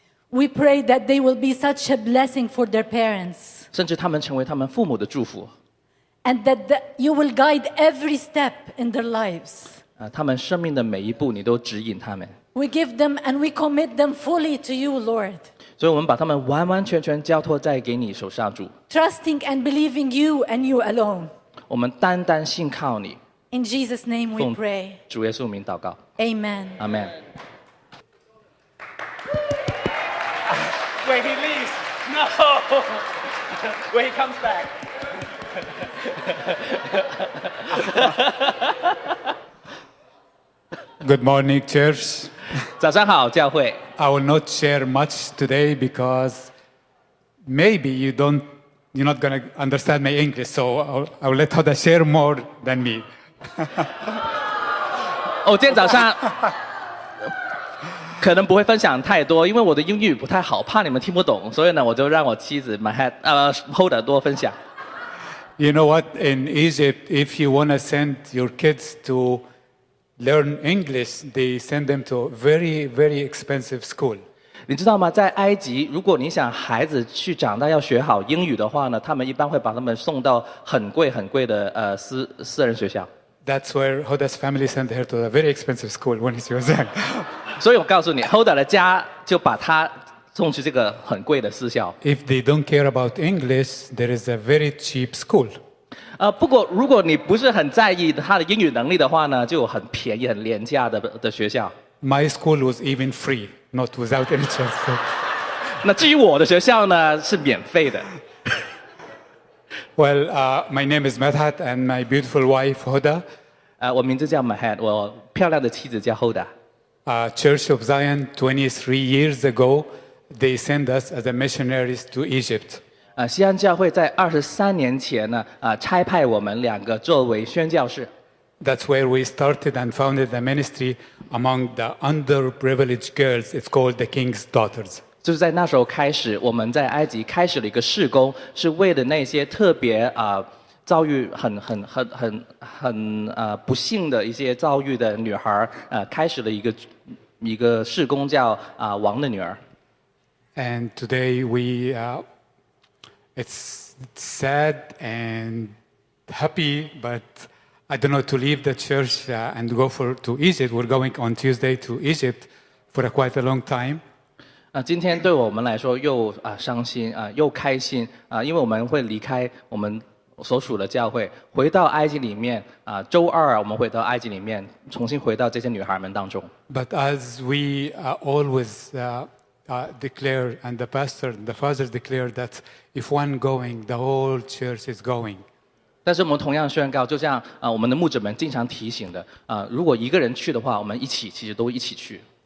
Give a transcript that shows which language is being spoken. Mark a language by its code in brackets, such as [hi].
[en] We pray that they will be such a blessing for their parents. [zh] 甚至他们成为他们父母的祝福。 [en] And that you will guide every step in their lives. [zh] 他们生命的每一步你都指引他们。 [en] We give them and we commit them fully to you, Lord. [zh] 所以我们把他们完完全全交托在给你手上，主。 [en] Trusting and believing you and you alone. [zh] 我们单单信靠你。 [en] In Jesus' name we pray. [zh] 主耶稣名祷告。 [en] Amen. Amen. When he leaves, no. When he comes back. Good morning, church. [zh] 早上好，教会。 [en] I will not share much today because maybe you're not going to understand my English, so I will let Hoda share more than me. [zh] 今天早上可能不会分享太多，因为我的英语不太好，怕你们听不懂，所以呢，我就让我妻子 Hoda 多分享。 [en] You know what? In Egypt, if you want to send your kids to learn English, they send them to a very, very expensive school. [zh] 你知道吗？在埃及，如果你想孩子去长大要学好英语的话呢，他们一般会把他们送到很贵很贵的私人学校。 [en] That's where Hoda's family sent her to a very expensive school when she was young. [zh] 所以我告诉你 ，Hoda 的家就把她送去这个很贵的私校。 [en] If they don't care about English, there is a very cheap school. [zh] 不过如果你不是很在意她的英语能力的话呢，就有很便宜、很廉价的学校。 [en] My school was even free, not without any chance. [zh] 那至于我的学校呢，是免费的。 [en] Well, my name is Mahat and my beautiful wife, Hoda. [zh] 我名字叫 Mahat, 我漂亮的妻子叫 Hoda. [en] Church of Zion, 23 years ago, they sent us as a missionaries to Egypt. [zh] 西安教会在23年前呢，差派我们两个作为宣教士。 [en] That's where we started and founded the ministry among the underprivileged girls. It's called the King's Daughters. [zh] 就是在那时候开始，我们在埃及开始了一个事工，是为了那些特别遭遇很不幸的一些遭遇的女孩开始了一个事工叫王的女儿。 [en] And today we it's sad and happy, but I don't know to leave the church and go to Egypt. We're going on Tuesday to Egypt for quite a long time. [zh] 今天对我们来说又伤心又开心因为我们会离开我们所属的教会，回到埃及里面周二我们回到埃及里面，重新回到这些女孩们当中。 [en] But as we always declare, and the pastor, the father declared that if one going, the whole church is going. [zh] 但是我们同样宣告，就像我们的牧者们经常提醒的如果一个人去的话，我们一起其实都一起去。